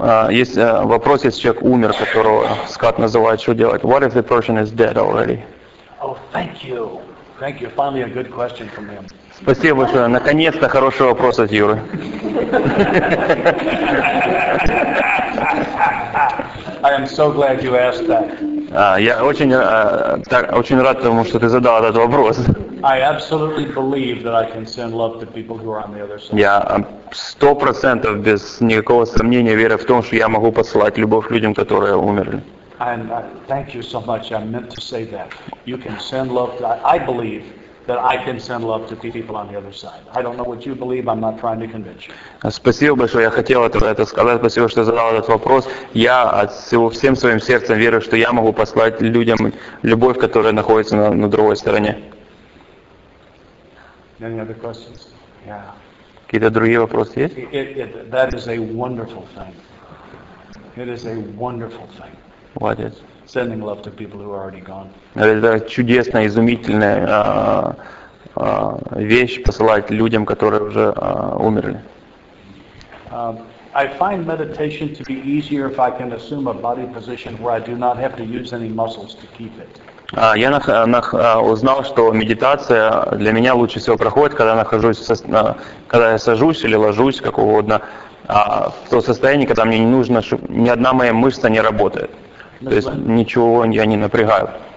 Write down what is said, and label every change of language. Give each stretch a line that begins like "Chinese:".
Russian: Есть вопрос, если человек умер, которого Скат называет, что делать?
English: What if the person is dead already? Oh, thank you. Thank you. Finally a good question from him.
Russian: Спасибо большое. Наконец-то хороший вопрос от Юры.
English: I am so glad you asked that.
Russian: Я очень рад тому, что ты задал этот вопрос.
English: I absolutely believe that I can send love to people who are on the other side.
Russian: Я 100% без никакого сомнения верю в том, что я могу посылать любовь людям, которые умерли.
English: And thank you so much. I meant to say that. You can send love. I believe that I can send love to people on the other side. I don't know what you believe. I'm not trying to convince you.
Russian: Спасибо большое. Я хотел это сказать. Спасибо, что задал этот вопрос. Я от всем своим сердцем верю, что я могу послать людям любовь, которая находится на другой стороне.
English: Any other questions? Yeah.
Russian: Какие-то другие вопросы есть?
English: That is a wonderful thing. It is a wonderful thing. What is? Sending love to people who are already gone.
Russian: Это чудесная, изумительная вещь посылать людям, которые уже умерли.
English: I find meditation to be easier if I can assume a body position where I do not have to use any muscles to keep it.
Russian: Я узнал, что медитация для меня лучше всего проходит, когда когда я сажусь или ложусь, как угодно, в то состояние, когда мне не нужно, чтобы ни одна моя мышца не работает. То есть ничего я не напрягаю.